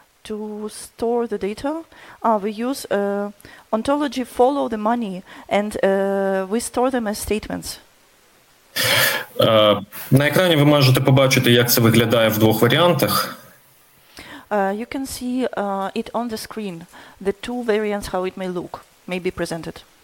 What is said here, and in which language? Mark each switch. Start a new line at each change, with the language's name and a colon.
English: To store the data, we use ontology follow the money, and we store them as statements.
Ukrainian: На екрані ви можете побачити, як це виглядає в двох варіантах.
English: You can see it on the screen, the two variants, how it may look, may be presented.